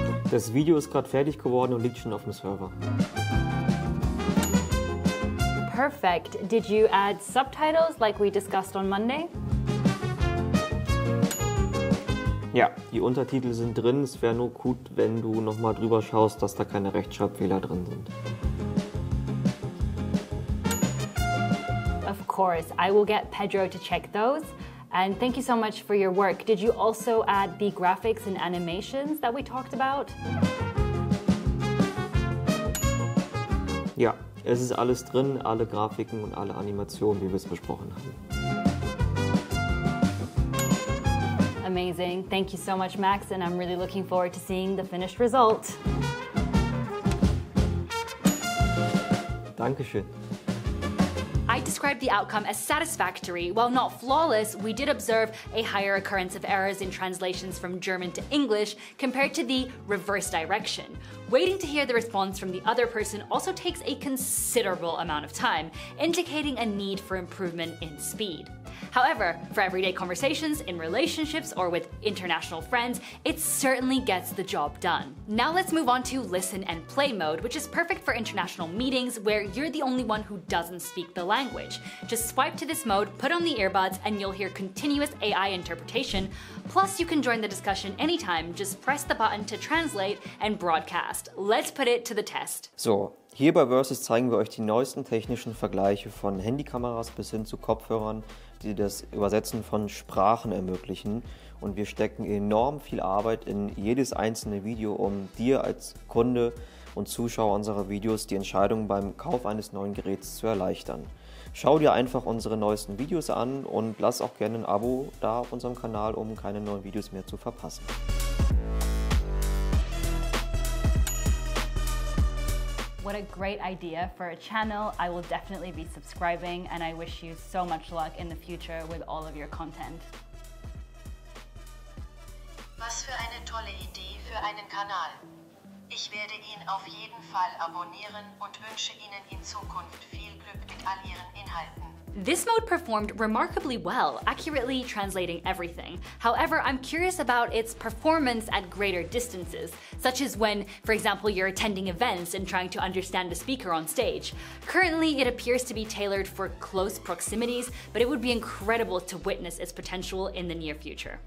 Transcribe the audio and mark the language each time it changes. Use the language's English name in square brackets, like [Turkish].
[German] Das Video ist gerade fertig geworden und liegt schon auf dem Server. [English] Perfect. Did you add subtitles like we discussed on Monday? [German] Ja, die Untertitel sind drin. Es wäre nur gut, wenn du nochmal drüber schaust, dass da keine Rechtschreibfehler drin sind. [English] Of course, I will get Pedro to check those. And thank you so much for your work. Did you also add the graphics and animations that we talked about? [German] Ja. Es ist alles drin, alle Grafiken und alle Animationen, wie wir es besprochen haben. [English] Amazing. Thank you so much, Max, and I'm really looking forward to seeing the finished result. [German] Dankeschön. [English] I described the outcome as satisfactory. While not flawless, we did observe a higher occurrence of errors in translations from German to English compared to the reverse direction. Waiting to hear the response from the other person also takes a considerable amount of time, indicating a need for improvement in speed. However, for everyday conversations, in relationships, or with international friends, it certainly gets the job done. Now let's move on to listen and play mode, which is perfect for international meetings where you're the only one who doesn't speak the language. Just swipe to this mode, put on the earbuds, and you'll hear continuous AI interpretation. Plus, you can join the discussion anytime, just press the button to translate and broadcast. Let's put it to the test. [German] So, hier bei Versus zeigen wir euch die neuesten technischen Vergleiche von Handykameras bis hin zu Kopfhörern, die das Übersetzen von Sprachen ermöglichen. Und wir stecken enorm viel Arbeit in jedes einzelne Video, um dir als Kunde und Zuschauer unserer Videos die Entscheidung beim Kauf eines neuen Geräts zu erleichtern. Schau dir einfach unsere neuesten Videos an und lass auch gerne ein Abo da auf unserem Kanal, um keine neuen Videos mehr zu verpassen. [English] What a great idea for a channel. I will definitely be subscribing and I wish you so much luck in the future with all of your content. [German] Was für eine tolle Idee für einen Kanal. Ich werde ihn auf jeden Fall abonnieren und wünsche Ihnen in Zukunft viel Glück mit all Ihren Inhalten. [English] This mode performed remarkably well, accurately translating everything. However, I'm curious about its performance at greater distances, such as when, for example, you're attending events and trying to understand the speaker on stage. Currently, it appears to be tailored for close proximities, but it would be incredible to witness its potential in the near future.